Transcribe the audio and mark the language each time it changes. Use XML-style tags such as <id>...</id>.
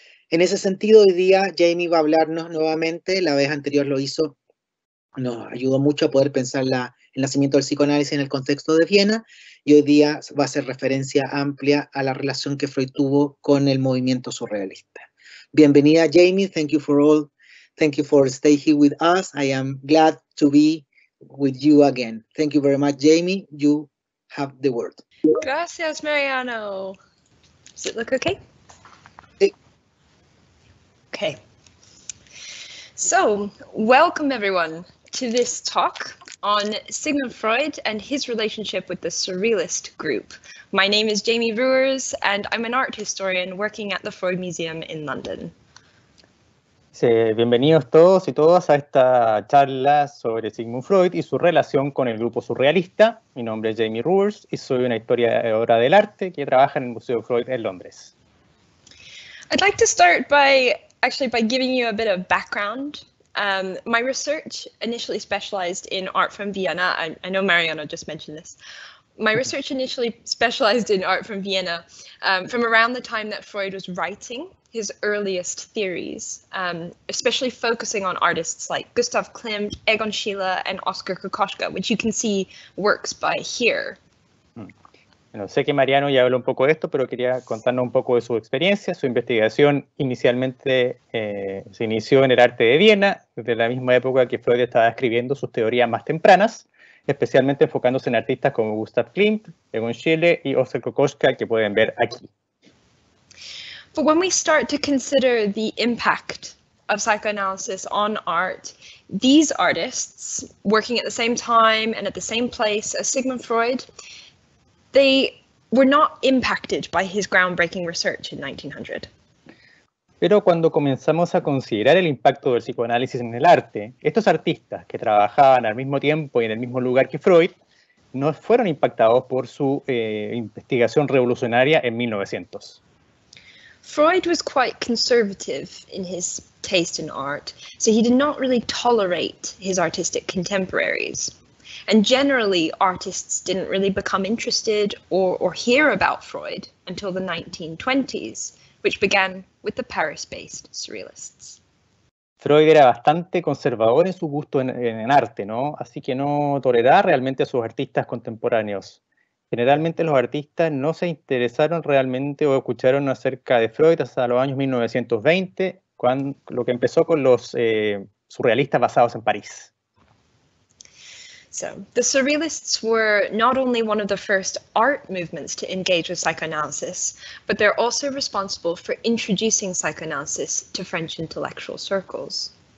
<es>En ese sentido, hoy día Jamie va a hablarnos nuevamente, la vez anterior lo hizo, nos ayudó mucho a poder pensar el nacimiento del psicoanálisis en el contexto de Viena, y hoy día va a hacer referencia amplia a la relación que Freud tuvo con el movimiento surrealista. Bienvenida,</es> <en>Jamie. Thank you for staying here with us. I am glad to be with you again. Thank you very much, Jamie. You have the word.</en> <es>Gracias,</es> <en>Mariano. Does it look okay? Okay. So, welcome everyone to this talk on Sigmund Freud and his relationship with the Surrealist group. My name is Jamie Ruers, and I'm an art historian working at the Freud Museum in London.</en> <es>Sí, bienvenidos todos y todas a esta charla sobre Sigmund Freud y su relación con el grupo surrealista. Mi nombre es Jamie Ruers y soy una historiadora del arte que trabaja en el Museo Freud en Londres.</es> <en>I'd like to start by giving you a bit of background. My research initially specialized in art from Vienna. I know Mariano just mentioned this. My research initially specialized in art from Vienna from around the time that Freud was writing his earliest theories, especially focusing on artists like Gustav Klimt, Egon Schiele, and Oskar Kokoschka, which you can see works by here.</en> <es>Bueno, sé que Mariano ya habló un poco de esto, pero quería contarnos un poco de su experiencia. Su investigación inicialmente se inició en el arte de Viena, desde la misma época que Freud estaba escribiendo sus teorías más tempranas, especialmente enfocándose en artistas como Gustav Klimt, Egon Schiele y Oskar Kokoschka, que pueden ver aquí.</es> <en>But when we start to consider the impact of psychoanalysis on art, these artists, working at the same time and at the same place as Sigmund Freud, they were not impacted by his groundbreaking research in 1900.</en> <es>Pero cuando comenzamos a considerar el impacto del psicoanálisis en el arte, estos artistas que trabajaban al mismo tiempo y en el mismo lugar que Freud, no fueron impactados por su investigación revolucionaria en 1900.</es> <en>Freud was quite conservative in his taste in art, so he did not really tolerate his artistic contemporaries. And generally, artists didn't really become interested or hear about Freud until the 1920s, which began with the Paris-based surrealists.</en> <es>Freud era bastante conservador en su gusto en arte, ¿no? Así que no toleraba realmente a sus artistas contemporáneos. Generalmente los artistas no se interesaron realmente o escucharon acerca de Freud hasta los años 1920, lo que empezó con los surrealistas basados en París.</es> <en>So, the surrealists were not only one of the first art movements to engage with psychoanalysis, but they're also responsible for introducing psychoanalysis to French intellectual circles.</en>